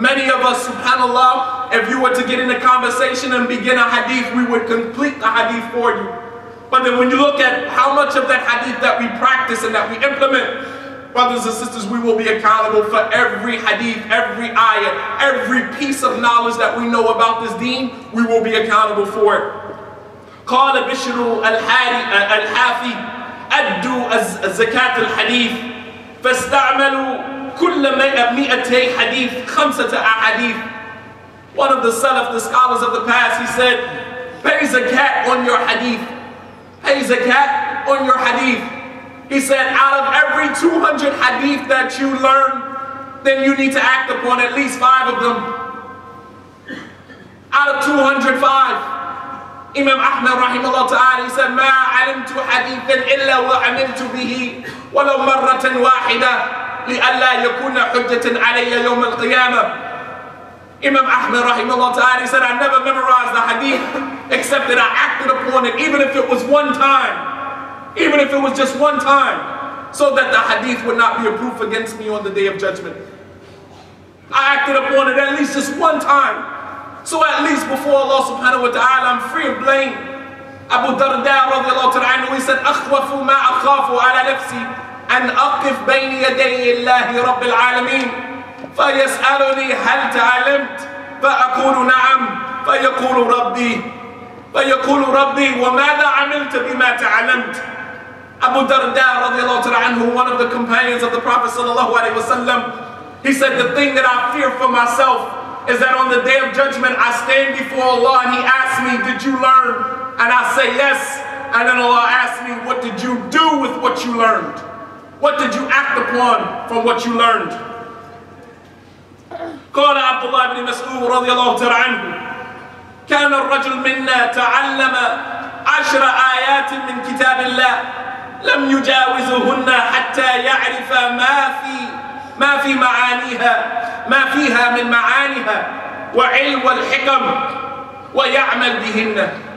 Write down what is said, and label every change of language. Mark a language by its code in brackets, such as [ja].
[en] Many of us, subhanAllah, if you were to get in a conversation and begin a hadith, we would complete the hadith for you. But then when you look at how much of that hadith that we practice and that we implement, brothers and sisters, we will be accountable for every hadith, every ayah, every piece of knowledge that we know about this deen, we will be accountable for it. [ar] قال بشر الحافي أدوا زكاة الحديث فاستعملوا كل مئتي حديث خمسة أحاديث. [en] One of the Salaf, the scholars of the past, he said, pay zakat on your hadith. Pay zakat on your hadith. He said, out of every 200 hadith that you learn, then you need to act upon at least 5 of them. Out of 200, 5. Imam Ahmad rahimahullah ta'ala, he said, [ar] مَا عَلِمْتُ حَدِيثًا إِلَّا وَعَمِلْتُ بِهِ وَلَوْ مَرَّةً وَاحِدًا لِأَلَّا يَكُونَ حُجَّةً عَلَيَّ يَوْمَ الْقِيَامَةِ. [en] Imam Ahmad rahimahullah ta'ala, he said, I never memorized the hadith except that I acted upon it, even if it was one time. Even if it was just one time. So that the hadith would not be a proof against me on the day of judgment. I acted upon it at least just one time. So at least before Allah subhanahu wa ta'ala, I'm free of blame. Abu Darda radiallahu ta'ala anhu, he said, [ar] أَخْوَفُ مَا أَخَافُ عَلَى نَفْسِي أَنْ أَقِفْ بَيْنِ يَدَيِّ اللَّهِ رَبِّ الْعَالَمِينَ فَيَسْأَلُنِي هَلْ تَعَلَمْتْ فَأَقُولُ نَعَمْ فَيَقُولُ رَبِّي فَيَقُولُ رَبِّي وَمَاذَا عَمِلْتَ بِمَا تَعَلَمْتْ. [en] Abu Darda radiallahu ta'ala anhu, one of the companions of the Prophet sallallahu alayhi wa sallam, he said, the thing that I fear for myself is that on the day of judgment, I stand before Allah and He asks me, did you learn? And I say, yes. And then Allah asks me, what did you do with what you learned? What did you act upon from what you learned? [ar] قال عبد الله بن مسعود رضي الله تعالى عنه كان الرجل منا تعلم عشر آيات من كتاب الله لم يجاوزهن حتى يعرف ما في معانيها ما فيها من معانيها وعلو الحكم ويعمل بهن.